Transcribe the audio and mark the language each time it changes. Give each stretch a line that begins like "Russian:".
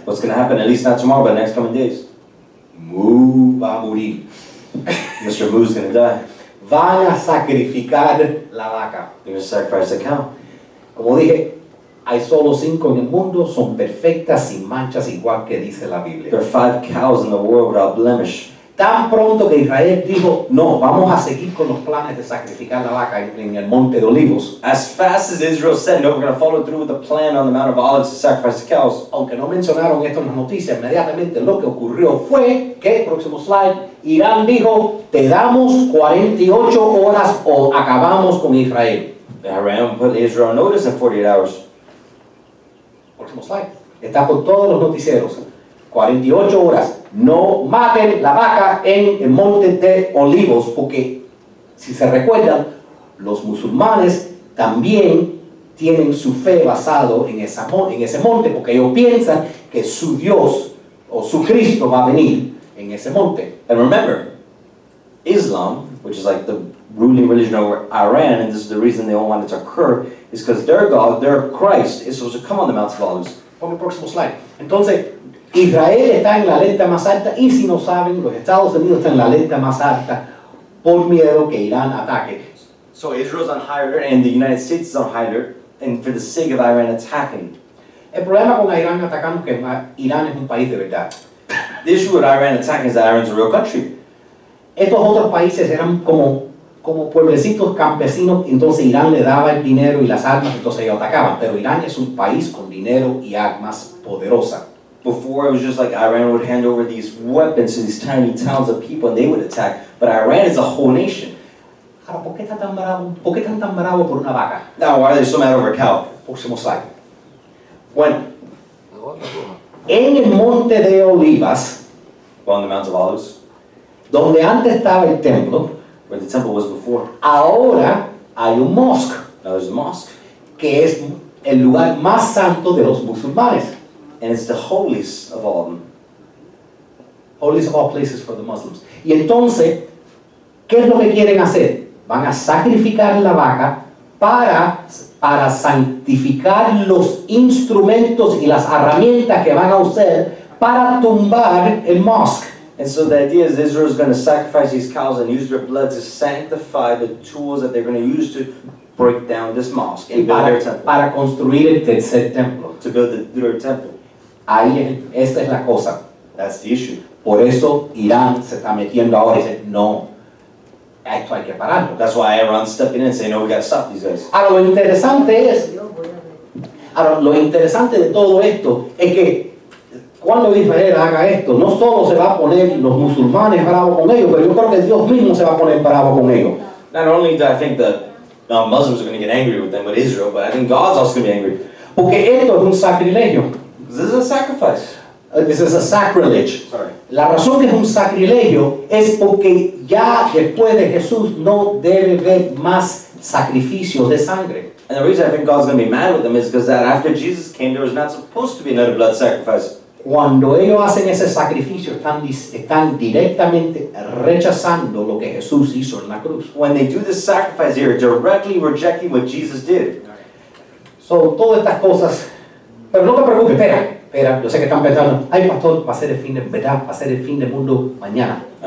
English: What's going to happen, at least not tomorrow, but next coming days?
Spanish: Mu va a morir.
English: Mr. Mu's going to die.
Spanish: Van a sacrificar la vaca.
English: They're going to sacrifice the cow.
Spanish: Como dije, hay solo cinco en el mundo, son perfectas, sin manchas, igual que dice la Biblia.
English: There are five cows in the world without blemish.
Spanish: Tan pronto que Israel dijo, no, vamos a seguir con los planes de sacrificar la vaca en el Monte de Olivos.
English: As fast as Israel said, no, we're going to follow through with the plan on the Mount of Olives to sacrifice the cows.
Spanish: Aunque no mencionaron esto en las noticias, inmediatamente lo que ocurrió fue que, próximo slide, Irán dijo, te damos 48 horas o acabamos con Israel.
English: Iran put Israel on notice in 48 hours.
Spanish: Próximo slide. Está por todos los noticieros. 48 horas. No maten la vaca en el Monte de Olivos, porque si se recuerdan, los musulmanes también tienen su fe basado en, esa, en ese monte, porque ellos piensan que su Dios o su Cristo va a venir en ese monte.
English: And remember, Islam, which is like the ruling religion over Iran, and this is the reason they all want it to occur, is because their God, their Christ, is supposed to come on the Mount of Olives.
Spanish: Pon el próximo slide. Entonces, Israel está en la alerta más alta y si no saben, los Estados Unidos están en la alerta más alta por miedo que Irán ataque.
English: So Israel's on high alert and the United States is on high alert and for the sake of Iran attacking.
Spanish: El problema con Irán atacando es que Irán es un país de verdad.
English: The issue with Iran attacking is that Iran's a real country.
Spanish: Estos otros países eran como, como pueblecitos campesinos, entonces Irán le daba el dinero y las armas, entonces ellos atacaban. Pero Irán es un país con dinero y armas poderosas.
English: Before it was just like Iran would hand over these weapons to these tiny towns of people and they would attack. But Iran is a whole nation.
Spanish: Ahora, ¿por qué están tan bravos? ¿Por qué están tan bravos por una vaca?
English: Now, why are they so mad over a cow?
Spanish: Próximo slide. Bueno. En el Monte de Olivas.
English: Well, on the Mount of Olives.
Spanish: Donde antes estaba el templo.
English: Where the temple was before.
Spanish: Ahora hay un mosque.
English: Now there's a mosque.
Spanish: Que es el lugar más santo de los musulmanes.
English: And it's the holiest of all of them. Holiest of all places for the Muslims.
Spanish: Y entonces, ¿qué es lo que quieren hacer? Van a sacrificar la vaca para santificar los instrumentos y las herramientas que van a usar para tumbar el mosque.
English: And so the idea is Israel is going to sacrifice these cows and use their blood to sanctify the tools that they're going to use to break down this mosque and build their temple.
Spanish: Para construir el tercer templo.
English: To build their temple.
Spanish: Ahí es, esta es la cosa.
English: That's the issue.
Spanish: Por eso Irán se está metiendo ahora y dice, no, esto hay que pararlo.
English: That's why Iran's stepping in and saying, no, we got to stop these guys.
Spanish: Ahora, lo interesante es, lo interesante de todo esto es que cuando Israel haga esto, no solo se va a poner los musulmanes bravos con ellos, pero yo creo que Dios mismo se va a poner bravo con ellos.
English: Not only do I think that Muslims are going to get angry with them, with Israel, but I think God's also going to be angry.
Spanish: Porque esto es un sacrilegio.
English: This is a sacrifice. This is a sacrilege. Sorry.
Spanish: La razón que es un sacrilegio es porque ya después de Jesús no debe haber más sacrificios de sangre.
English: And the reason I think God's going to be mad with them is because that after Jesus came, there was not supposed to be another blood sacrifice.
Spanish: Cuando ellos hacen ese sacrificio, están directamente rechazando lo que Jesús hizo en la cruz.
English: When they do the sacrifice, they're directly rejecting what Jesus did.
Spanish: So, todas estas cosas, pero no te preocupes, espera, yo sé que están pensando, ay pastor, va a ser el fin de verdad, va a ser el fin del mundo mañana.